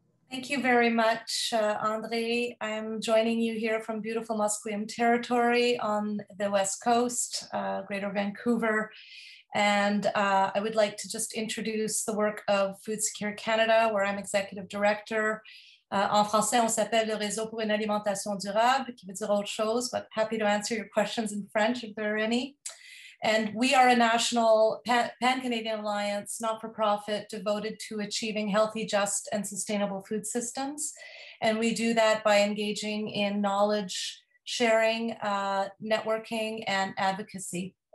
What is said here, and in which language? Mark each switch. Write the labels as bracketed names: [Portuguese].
[English] Thank you very much, André. I'm joining you here from beautiful Musqueam territory on the West Coast, Greater Vancouver. And I would like to just introduce the work of Food Secure Canada, where I'm executive director. [French] En français, on s'appelle le réseau pour une alimentation durable, qui veut dire autre chose, [English] but happy to answer your questions in French if there are any. And we are a national pan-Canadian alliance, not-for-profit, devoted to achieving healthy, just, and sustainable food systems. And we do that by engaging in knowledge sharing, networking, and advocacy.